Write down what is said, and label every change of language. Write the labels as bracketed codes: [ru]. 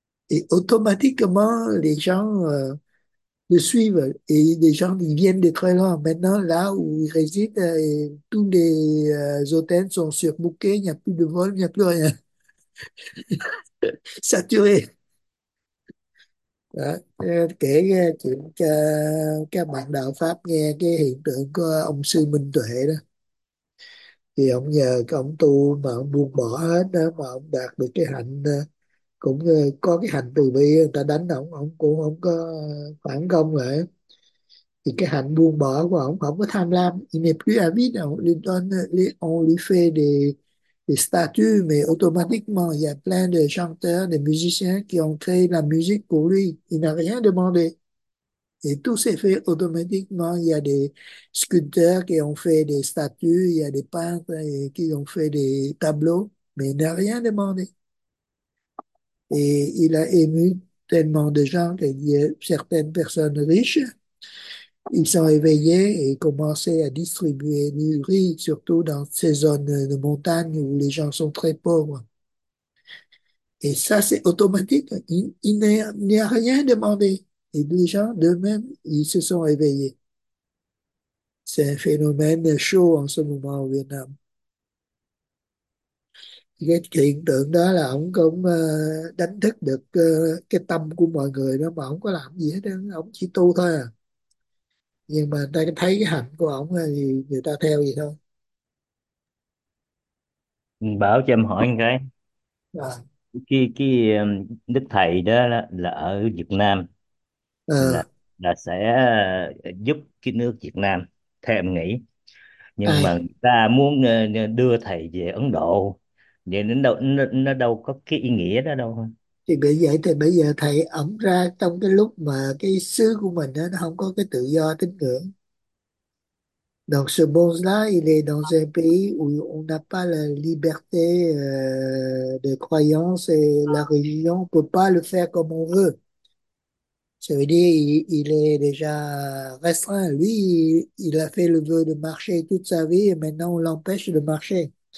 [fr] Et automatiquement, les gens le suivent. Et des gens ils viennent de très loin. Maintenant, là où ils résident, et tous les hôtels sont surbookés. Il n'y a plus de vol, il n'y a plus rien. Saturé. [vi] Đó, kể nghe chuyện cho các bạn đạo Pháp nghe cái hiện tượng của ông sư Minh Tuệ đó. Thì ông nhờ cái ông tu mà ông buông bỏ hết đó, mà ông đạt được cái hạnh, cũng có cái hạnh từ bi, người ta đánh ông cũng không có phản công lại. Thì cái hạnh buông bỏ của ông không có tham lam. [fr] Il n'est plus avide, on lui fait des statues, mais automatiquement, il y a plein de chanteurs, de musiciens qui ont créé la musique pour lui. Il n'a rien demandé. Et tout s'est fait automatiquement. Il y a des sculpteurs qui ont fait des statues, il y a des peintres qui ont fait des tableaux, mais il n'a rien demandé. Et il a ému tellement de gens qu'il y a certaines personnes riches. Ils sont éveillés et commencé à distribuer du riz, surtout dans ces zones de montagne où les gens sont très pauvres. Et ça, c'est automatique. Il n'y a rien demandé. Et les gens, d'eux-mêmes, ils se sont éveillés. C'est un phénomène chaud en ce moment au Vietnam. [vi] Cái hiện tượng đó là ông cũng đánh thức được cái tâm của mọi người đó, mà ông có làm gì hết đó, ông chỉ tu thôi à. Nhưng mà người ta thấy cái hạnh của ông thì người ta theo gì thôi. Bảo cho em hỏi một cái. À. Cái đức thầy đó là ở Việt Nam, À. là sẽ giúp cái nước Việt Nam theo em nghĩ, nhưng mà Ai? người ta muốn đưa thầy về Ấn Độ, vậy nó đâu có cái ý nghĩa đó đâu. Thì bây giờ thầy ẩn ra trong cái lúc mà cái xứ của mình đó, nó không có cái tự do tín ngưỡng. [fr] Donc ce monde-là, il est dans un pays où on n'a pas la liberté de croyance et la religion, on ne peut pas le faire comme on veut. Ça veut dire qu'il est déjà restreint. Lui, il a fait le vœu de marcher toute sa vie et maintenant on l'empêche de marcher.